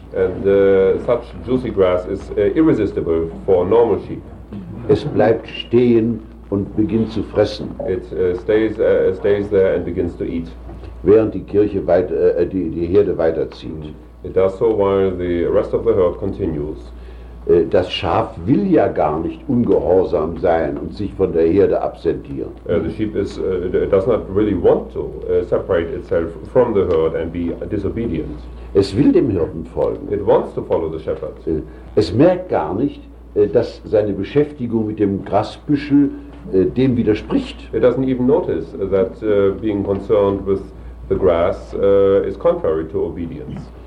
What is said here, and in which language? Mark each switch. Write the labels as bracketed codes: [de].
[en] And such juicy grass is irresistible for a normal sheep. [de] Es bleibt stehen und beginnt zu fressen. [en] It stays there and begins to eat. [de] Während die Kirche die Herde weiterzieht. [en] It does so while the rest of the herd continues. [de] Das Schaf will ja gar nicht ungehorsam sein und sich von der Herde absentieren. [en] The sheep is does not really want to separate itself from the herd and be disobedient. [de] Es will dem Hirten folgen. [en] It wants to follow the shepherd. [de] Es merkt gar nicht, dass seine Beschäftigung mit dem Grasbüschel dem widerspricht. [en] It doesn't even notice that being concerned with the grass is contrary to obedience.